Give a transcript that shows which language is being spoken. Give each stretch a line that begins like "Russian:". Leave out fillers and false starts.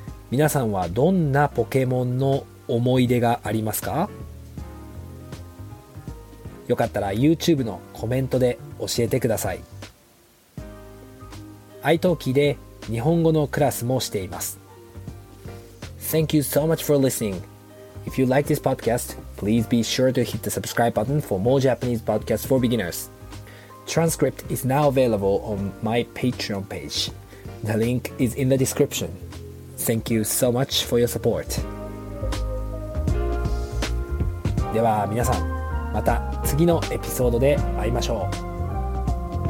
Japanese: 皆さんはどんなポケモンの思い出がありますか？よかったら YouTube のコメントで教えてください。 iTalki で日本語のクラスもしています。
English: Thank you so much for listening. If you like this podcast, please be sure to hit the subscribe button for more Japanese podcasts for beginners. Transcript is now available on my Patreon page. The link is in the description. Thank you so much for your support.
Japanese: では皆さん、また次のエピソードで会いましょう。